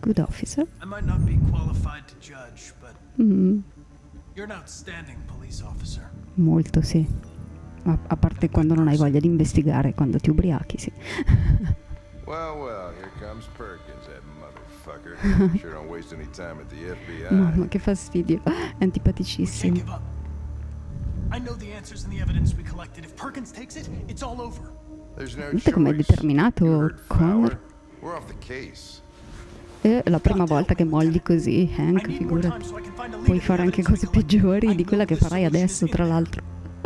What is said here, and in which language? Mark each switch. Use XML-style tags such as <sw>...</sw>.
<en>good officer. I might not be qualified to judge, but you're an outstanding police.</en> <it>Molto sì. A parte quando non hai voglia di investigare, quando ti ubriachi, sì.</it> <en>Well, well, here comes Perkins, that motherfucker. Sure don't waste any time at the FBI.</en> <it>Mamma, che fastidio. È antipaticissimo.</it> <en>I know the answers and the evidence we collected. If Perkins takes it, it's all over.</en> <it>Guarda com'è determinato Connor.</it> <en>We're off the case.</en> <it>La prima volta che molli così, Hank, figurati. Puoi fare anche cose peggiori di quella che farai adesso, tra l'altro.</it>